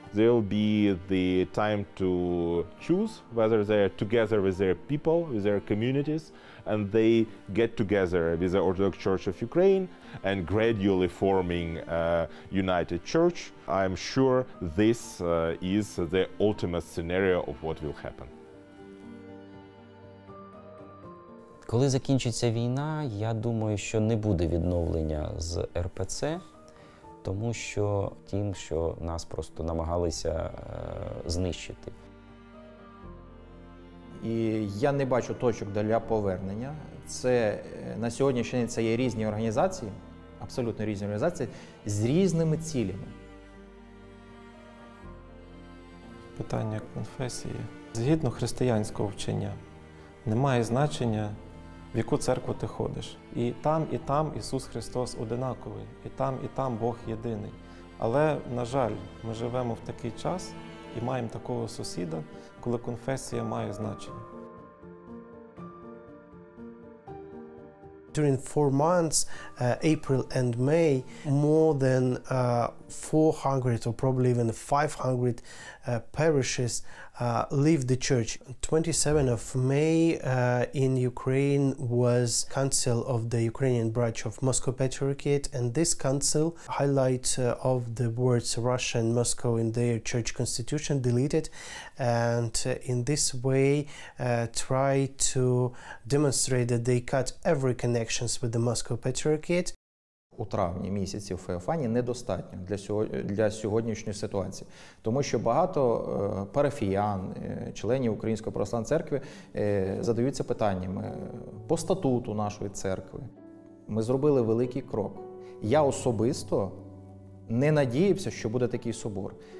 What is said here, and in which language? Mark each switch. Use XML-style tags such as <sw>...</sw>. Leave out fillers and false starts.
<en>There will be the time to choose whether they are together with their people, with their communities, and they get together with the Orthodox Church of Ukraine and gradually forming a united church. I'm sure this is the ultimate scenario of what will happen.</en> <uk>Коли закінчиться війна, я думаю, що не буде відновлення з РПЦ, тому що тим, що нас просто намагалися знищити. І я не бачу точок для повернення. Це на сьогоднішній день це є різні організації, абсолютно різні організації, з різними цілями. Питання конфесії. Згідно християнського вчення, немає значення, в яку церкву ти ходиш. І там Ісус Христос одинаковий, і там Бог єдиний. Але, на жаль, ми живемо в такий час і маємо такого сусіда, коли конфесія має значення.</uk> <en>During 4 months, April and May, more than 400 or probably even 500 parishes leave the church. 27th of May in Ukraine was Council of the Ukrainian Branch of Moscow Patriarchate, and this council highlights of the words Russia and Moscow in their church constitution deleted, and in this way try to demonstrate that they cut every connections with the Moscow Patriarchate.</en> <uk>У травні місяці в Феофанії недостатньо для сьогоднішньої ситуації. Тому що багато парафіян, членів Української православної церкви задаються питаннями по статуту нашої церкви. Ми зробили великий крок. Я особисто не надіявся, що буде такий собор.</uk>